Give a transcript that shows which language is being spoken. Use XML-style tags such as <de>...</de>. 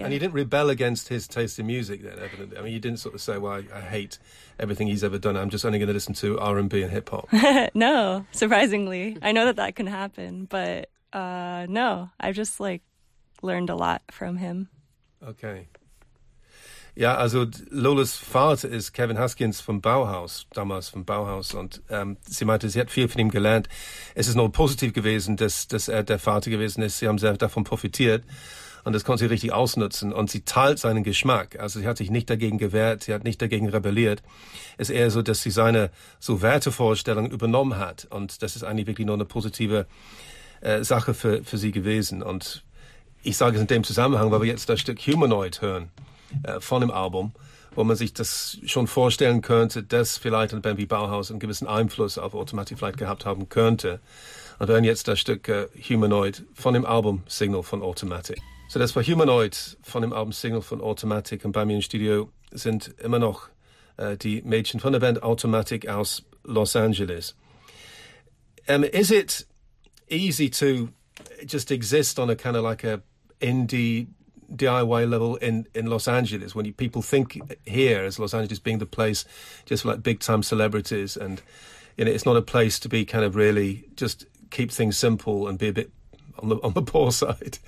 <en>And you didn't rebel against his taste in music then, evidently. I mean, you didn't sort of say, well, I hate everything he's ever done, I'm just only going to listen to R&B and hip-hop. No, surprisingly. I know that can happen, but no, I've just, like, learned a lot from him. Okay.</en> <de>Ja, also Lolas Vater ist Kevin Huskins vom Bauhaus, damals vom Bauhaus, und sie meinte, sie hat viel von ihm gelernt. Es ist nur positiv gewesen, dass er der Vater gewesen ist. Sie haben sehr davon profitiert und das konnte sie richtig ausnutzen. Und sie teilt seinen Geschmack. Also sie hat sich nicht dagegen gewehrt, sie hat nicht dagegen rebelliert. Es ist eher so, dass sie seine so Wertevorstellungen übernommen hat. Und das ist eigentlich wirklich nur eine positive Sache für sie gewesen. Und ich sage es in dem Zusammenhang, weil wir jetzt das Stück Humanoid hören von dem Album, wo man sich das schon vorstellen könnte, dass vielleicht ein Band wie Bauhaus einen gewissen Einfluss auf Automatic Flight gehabt haben könnte. Und wir hören jetzt das Stück Humanoid von dem Album Signal von Automatic. So, das war Humanoid von dem Album Signal von Automatic. Und bei mir im Studio sind immer noch die Mädchen von der Band Automatic aus Los Angeles.</de> <en>Is it easy to just exist on a kind of like a indie DIY level in Los Angeles, when people think here as Los Angeles being the place just for like big time celebrities, and you know, it's not a place to be kind of really just keep things simple and be a bit on the poor side.</en>